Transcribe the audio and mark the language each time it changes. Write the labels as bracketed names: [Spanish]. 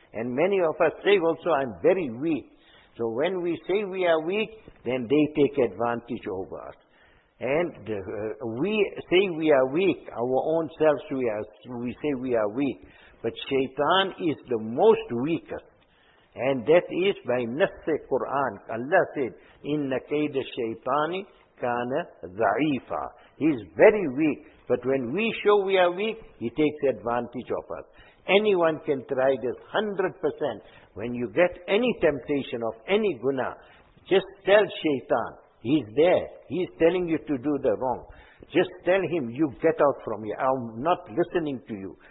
[English] And many of us say also, I'm very weak. So when we say we are weak, then they take advantage over us. And we say we are weak, our own selves, we say we are weak. But shaitan is the most weakest. And that is by nafs-e Quran. Allah said, [Arabic] إِنَّ كَيْدَ الشَّيْطَانِ كَانَ ضَعِيفًا. [English] He's very weak. But when we show we are weak, he takes advantage of us. Anyone can try this 100%. When you get any temptation of any guna, just tell shaitan, he's there, he's telling you to do the wrong. Just tell him, you get out from here, I'm not listening to you.